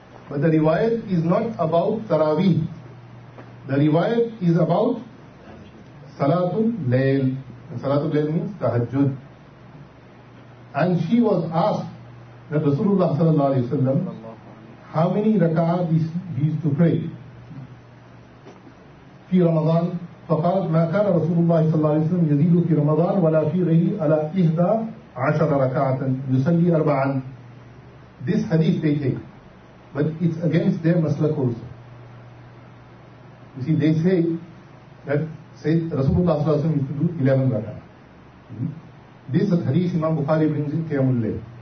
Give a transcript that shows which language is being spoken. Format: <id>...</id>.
<en>But the riwayat is not about tarawih. The riwayat is about Salatul Layl. And Salatul Layl means tahajjud. And she was asked that Rasulullah sallallahu alayhi wa sallam, how many rakat is he is to pray?</en> <ar>Fi Ramadan, فقال ما كان رسول الله صلى الله عليه وسلم يزيد في رمضان ولا في غيره على إحدى عشر ركعة يصلي أربعا.</ar> <en>This hadith they take, but it's against their maslak also. You see, they say that said</en> <ar>رسول الله صلى الله عليه وسلم</ar> <en>used to do 11 ركعة. This hadith Imam Bukhari brings in Qiyam al-Layl.</en>